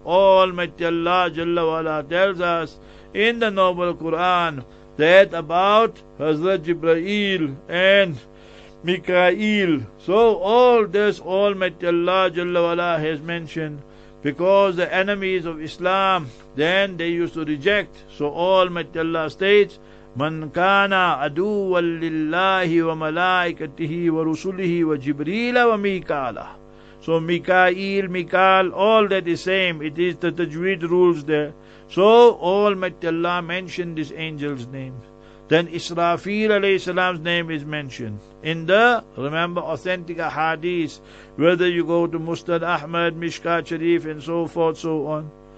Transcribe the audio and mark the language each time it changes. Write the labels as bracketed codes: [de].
[en] Almighty Allah Jalla Wala tells us in the Noble Quran that about Hazrat Jibreel and Mikael. So all this Almighty Allah Jalla Wala has mentioned, because the enemies of Islam then they used to reject. So Almighty Allah states, [ar] مَنْ كَانَ عَدُوًا لِلَّهِ وَمَلَائِكَتِهِ وَرُسُلِهِ وَجِبْرِيلَ وَمِيكَالَ. [en] So Mikael, Mikael, all that is same. It is the Tajweed rules there. So Almighty Allah mentioned this angel's name. Then Israfil alayhi salam's name is mentioned. In the, remember, authentic ahadith, whether you go to Mustad Ahmad, Mishkat Sharif and so forth, so on.